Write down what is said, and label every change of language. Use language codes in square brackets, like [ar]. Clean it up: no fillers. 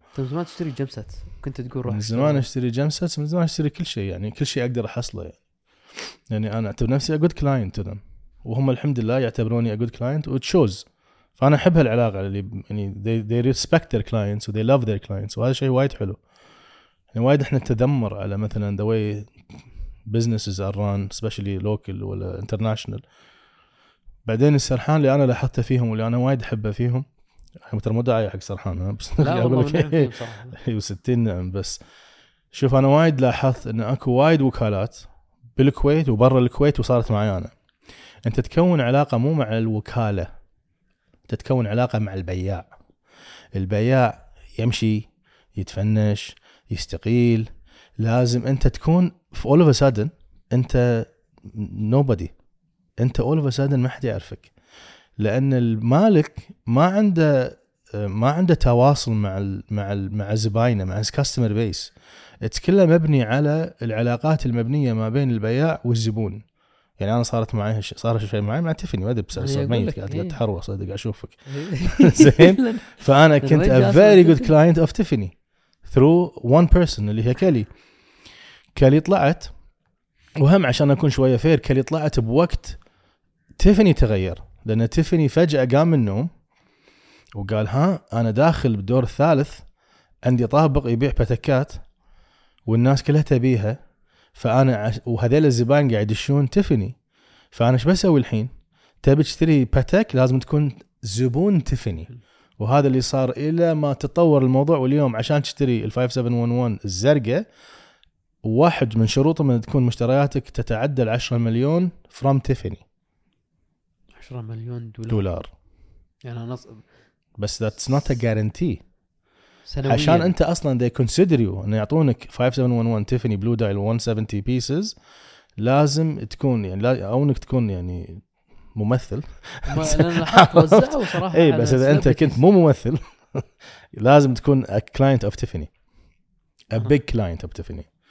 [ar] من زمان تشتري جيمسات كنت تقول روح من زمان أشتري جيمسات من زمان أشتري كل شيء يعني كل شيء أقدر أحصله يعني أنا أعتبر نفسي [en] a good client to them [ar] وهم الحمد لله يعتبروني [en] a good client it shows. [ar] فأنا أحب هالعلاقة اللي يعني [en] they respect their clients [ar] and they love their clients وهذا شيء وايد حلو. يعني وايد إحنا نتذمر على مثلا [en] the way businesses are run especially local [ar] ولا international. بعدين السرحان اللي أنا لاحظته فيهم واللي أنا وايد أحبه فيهم ترى مو داعي حق سرحان بس أقول لك وستين نعم بس شوف أنا وايد لاحظت إن أكو وايد وكالات بالكويت وبرا الكويت وصارت معي أنا. أنت تكون علاقة مو مع الوكالة تتكون علاقة مع البياع. البياع يمشي يتفنش يستقيل لازم أنت تكون في [en] all of a sudden [ar] أنت nobody أنت all of a sudden ما حد يعرفك لأن المالك ما عنده تواصل مع الـ مع الـ مع زباينه مع الكاستمر بيس. كله مبني على العلاقات المبنية ما بين البياع والزبون. يعني أنا صارت معي صار شيء معي مع تيفني ما أدري بس ميت قاعد أتحرر صدق أشوفك زين. فأنا كنت [en] a very good client of Tiffany through one person [ar] اللي هي كالي. كالي طلعت وهم عشان أكون شوية فير كالي طلعت بوقت تيفني تغير لأن تيفني فجأة قام من النوم وقال ها أنا داخل بدور الثالث عندي طابق يبيع بتكات والناس كلها تبيها فأنا وهذيل الزبائن قاعد يشون تيفني فأنا شو بسوي الحين؟ تبي تشتري باتك لازم تكون زبون تيفني. وهذا اللي صار إلى ما تطور الموضوع واليوم عشان تشتري الـ 5711 الزرقة واحد من شروطه من تكون مشترياتك تتعدى 10 مليون [en] from [ar] تيفني. 10 مليون دولار يعني نصب بس [en] that's not a guarantee. [ar] عشان انت اصلا [en] they consider you [ar] ان يعطونك 5711 تيفني بلو دايل 170 pieces لازم تكون يعني او انك تكون يعني ممثل وصراحة ايه بس اذا انت كنت مو ممثل لازم تكون [en] a client of Tiffany [ar] a big client of Tiffany.